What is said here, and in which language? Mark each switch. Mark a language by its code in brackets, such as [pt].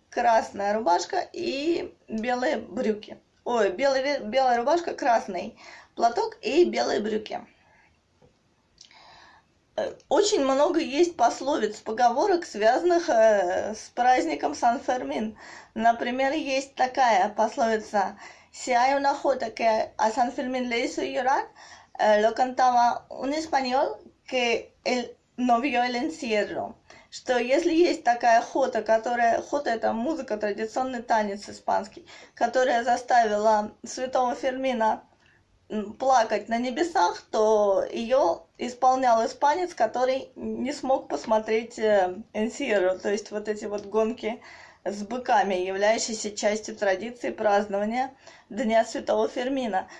[ru] красная рубашка и белые брюки. Ой, белая рубашка, красный платок и белые брюки. Очень много есть пословиц, поговорок, связанных с праздником Сан-Фермин. Например, есть такая пословица: [es] «Si hay una jota que a Сан-Фермин le hizo llorar, lo cantaba un español que no vio el encierro». [ru] Что если есть такая хота, которая... Хота — это музыка, традиционный танец испанский, которая заставила святого Фермина плакать на небесах, то ее исполнял испанец, который не смог посмотреть Энсьерро, то есть вот эти вот гонки с быками, являющиеся частью традиции празднования Дня Святого Фермина.